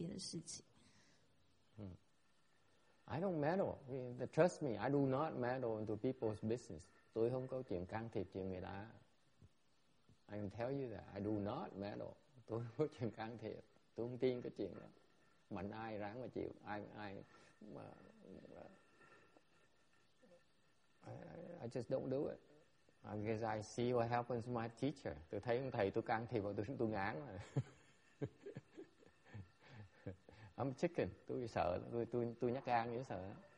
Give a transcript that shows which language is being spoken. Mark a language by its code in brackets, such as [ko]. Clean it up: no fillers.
[zh] 跟法师讲了2个小时以后，他回去以后2个礼拜回来，他就消失了。那他之前都没有办法解除这个问题，所以他就觉得说应该是法师有帮助他，但是法师说他没有做什么任何特别的事情。I [en] don't meddle. Trust me, I do not meddle into people's business. [zh] 所以我不会去干涉别人。 [en] I can tell you that I do not meddle. [zh] 所以我不会去干涉，我不听这个。 [vi] Mạnh ai ráng mà chịu, [en] I just don't do it. Because I see what happens to my teacher. [vi] Tôi thấy thầy tôi can thiệp vào tôi ngán. [en] I'm chicken, [vi] tôi sợ, tôi nhắc gan, tôi sợ.